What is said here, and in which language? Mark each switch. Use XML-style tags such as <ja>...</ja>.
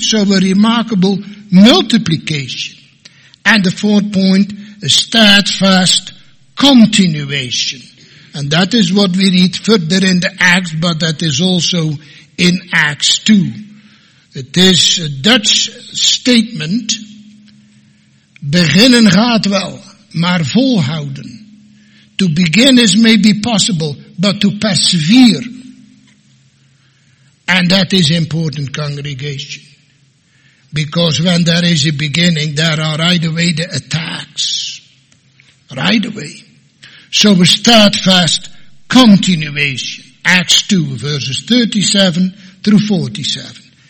<en>So a remarkable multiplication. And the fourth point, a steadfast continuation. And that is what we read further in the Acts, but that is also in Acts 2. It is a Dutch statement.</en> <nl>Beginnen gaat wel, maar volhouden.</nl> <en>To begin is maybe possible, but to persevere. And that is important, congregation. Because when there is a beginning, there are right away the attacks. Right away. So a steadfast continuation. Acts 2, verses 37 through 47.</en>